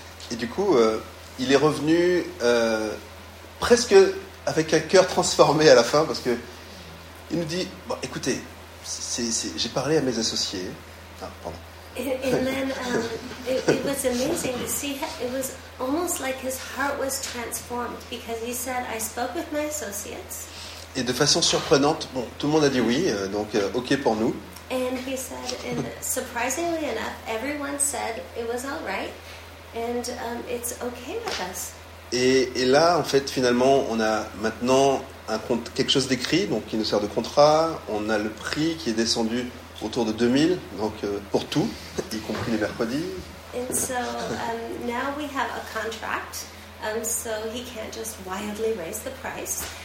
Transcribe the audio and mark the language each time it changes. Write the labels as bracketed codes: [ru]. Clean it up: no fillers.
[fr] Et du coup, il est revenu presque avec un cœur transformé à la fin, parce que il nous dit, bon, écoutez, j'ai parlé à mes associés. Ah, pardon. [en] And then it was amazing to see. It was almost like his heart was transformed because he said, "I spoke with my associates." [fr] Et de façon surprenante, bon, tout le monde a dit oui, donc ok pour nous. [en] And he said, and surprisingly enough, everyone said it was all right, and it's okay with us. [fr] Et là, en fait, finalement, on a maintenant quelque chose d'écrit, donc qui nous sert de contrat. On a le prix qui est descendu autour de 2000, donc pour tout, y compris les mercredis. [en] And so now we have a contract, so he can't just wildly raise the price.